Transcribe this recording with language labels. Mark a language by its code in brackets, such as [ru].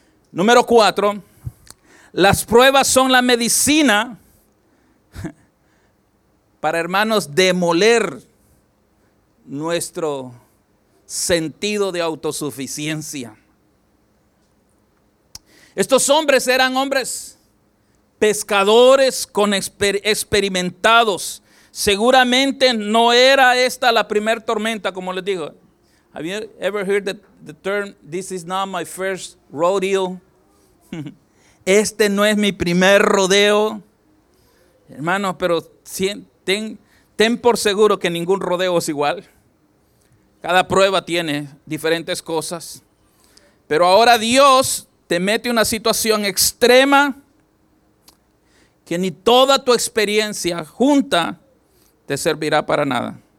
[es] Número 4, las pruebas son la medicina para, hermanos, demoler nuestro sentido de autosuficiencia. Estos hombres eran hombres pescadores con experimentados. Seguramente no era esta la primera tormenta, como les digo. [en] Have you ever heard the term, this is not my first rodeo? [es] Este no es mi primer rodeo. Hermanos, pero ten por seguro que ningún rodeo es igual. Cada prueba tiene diferentes cosas. Pero ahora Dios te mete una situación extrema que ni toda tu experiencia junta te servirá para nada.